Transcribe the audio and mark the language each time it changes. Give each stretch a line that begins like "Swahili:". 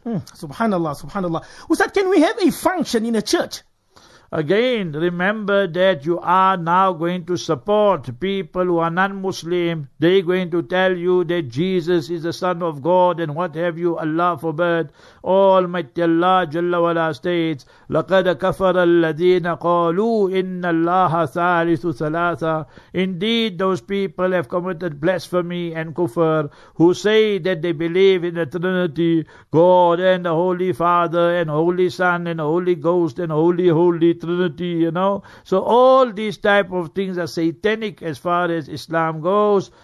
English: Subhanallah, subhanallah. Ustaz, can we have a function in a church? Again, remember that you are now going to support people who are non-Muslim. They're going to tell you that Jesus is the Son of God and what have you, Allah forbid. Almighty Allah Jalla Wala states,
Arabic: لَقَدْ كَفَرَ الَّذِينَ قَالُوا إِنَّ اللَّهَ ثَالِثُ ثَلَاثًا.
English: Indeed, those people have committed blasphemy and kufr who say that they believe in the Trinity, God and the Holy Father and Holy Son and Holy Ghost and Holy Trinity, you know. So all these type of things are satanic as far as Islam goes.